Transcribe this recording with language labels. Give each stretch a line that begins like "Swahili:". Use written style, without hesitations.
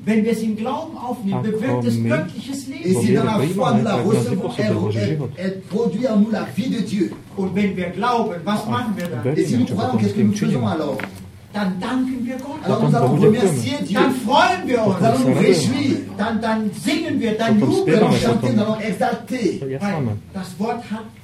German: Wenn wir es im Glauben aufnehmen, bewirkt es göttliches Leben.
French: Et si dans la foi nous la recevons, elle produit en nous la vie de Dieu.
German: Und wenn wir glauben, was machen wir dann?
French: Et si nous croyons, qu'est-ce que nous faisons alors?
German: Dann danken wir Gott.
French: Alors nous allons remercier Dieu.
German: Dann freuen wir uns. Dann
French: nous réjouir.
German: Dann singen wir, dann jubeln wir,
French: chanter,
German: dann
French: exalter.
German: Das Wort hat